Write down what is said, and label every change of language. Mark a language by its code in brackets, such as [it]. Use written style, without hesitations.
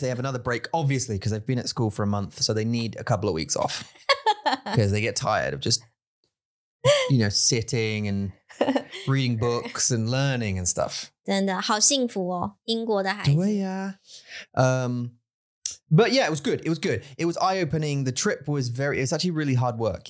[en] They have another break, obviously, because they've been at school for a month, so they need a couple of weeks off. Because they get tired of just, you know, sitting and reading books and learning and stuff. [zh] 真的,好幸福哦,英国的孩子。对啊。 [en] But yeah, it was good. It was good. It was eye-opening. The trip was very, it was actually really hard work.